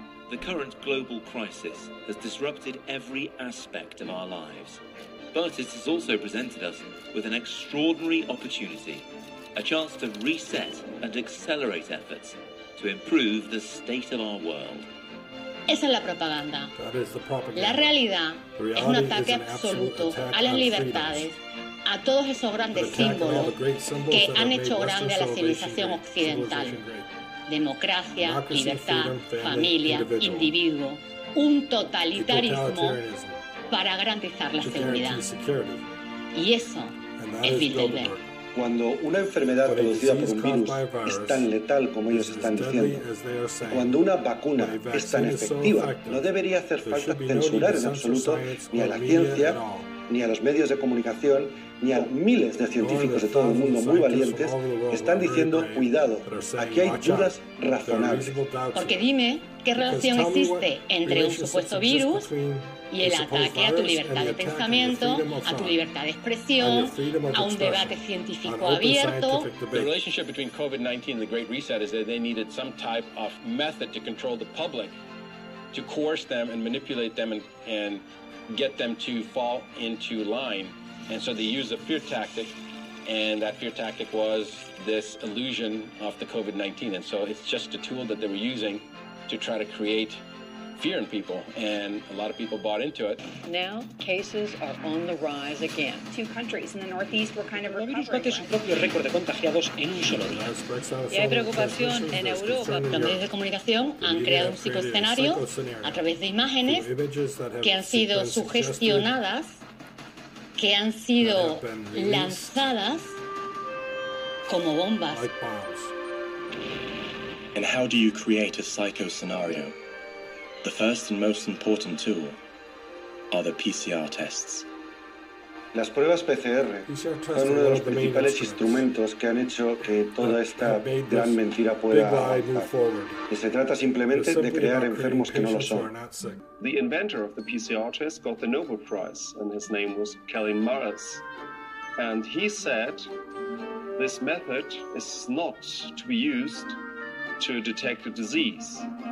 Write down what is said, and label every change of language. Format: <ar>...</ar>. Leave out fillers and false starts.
<en>The current global crisis has disrupted every aspect of our lives, but it has also presented us with an extraordinary opportunity. A chance to reset and accelerate efforts to improve the state of our world.</en> <es>Esa es la propaganda.</es> <en>That is the propaganda.</en> <es>La realidad es un ataque absoluto a las libertades, a todos esos grandes símbolos que han hecho grande a la civilización occidental. Democracia, libertad, familia, individuo. Un totalitarismo para garantizar la seguridad. Y eso es Bilderberg. Cuando una enfermedad producida por un virus es tan letal como ellos están diciendo, cuando una vacuna es tan efectiva, no debería hacer falta censurar en absoluto ni a la ciencia, ni a los medios de comunicación, ni a miles de científicos de todo el mundo muy valientes que están diciendo, cuidado, aquí hay dudas razonables. Porque dime, ¿qué relación existe entre un supuesto virus y el ataque a tu libertad de pensamiento, a tu libertad de expresión, a un debate científico abierto?</es> <en>The relationship between COVID-19 and the Great Reset is that they needed some type of method to control the public, to coerce them and manipulate them and get them to fall into line. And so they used a fear tactic, and that fear tactic was this illusion of the COVID-19. And so it's just a tool that they were using to try to create fear in people, and a lot of people bought into it. Now, cases are on the rise again. Two countries in the Northeast were kind of recovering.</en> <es>El virus bate su propio récord de contagiados en un solo día. Y hay preocupación en Europa. Los medios de comunicación han creado un psicoscenario a través de imágenes que han sido sugestionadas, que han sido lanzadas como bombas.</es> <en>And how do you create a psycho scenario? The first and most important tool are the PCR tests.</en> <es>Las pruebas PCR son uno de los principales instrumentos que han hecho que toda esta gran mentira pueda avanzar. Y se trata simplemente de crear enfermos que no lo son.</es> <en>The inventor of the PCR test got the Nobel Prize, and his name was Kelly Morris. And he said, this method is not to be used to detect a disease.</en>